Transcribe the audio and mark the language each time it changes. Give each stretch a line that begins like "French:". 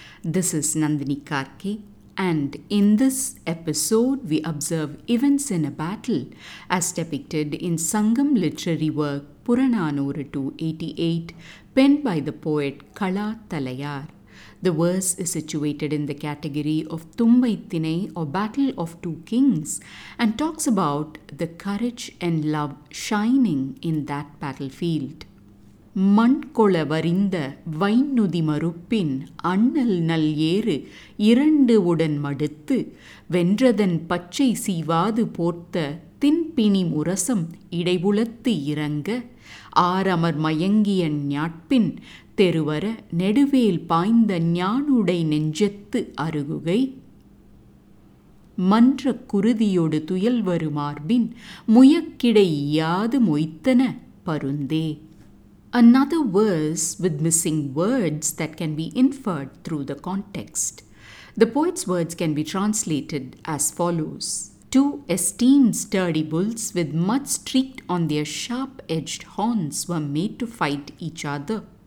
English: This is Nandini Karke, and in this episode we observe events in a battle as depicted in Sangam literary work Puranaanooru 288 penned by the poet Kazhathalaiyaar. The verse is situated in the category of Thumbai Thinai or Battle of Two Kings and talks about the courage and love shining in that battlefield.
Tamil: மண்கொள வரிந்த வைநுதி மறுப்பின் அண்ணல் நல் ஏறு இரண்டு உடன் மடுத்து வென்றதன் பச்சை சீவாது போர்த்த தின்பினி முரசம் இடைபுலத்து இறங்க ஆரமர் மயங்கிய ஞாட்பின் தெருவர நெடுவேல் பாய்ந்த ஞானுடை நெஞ்சத்து அருகுகை மன்ற குருதியொடு துயல் வருமார்பின் முயக்கிடை இயாது மொய்த்தன பருந்தே.
English: Another verse with missing words that can be inferred through the context. The poet's words can be translated as follows. Two esteemed sturdy bulls with mud streaked on their sharp-edged horns were made to fight each other.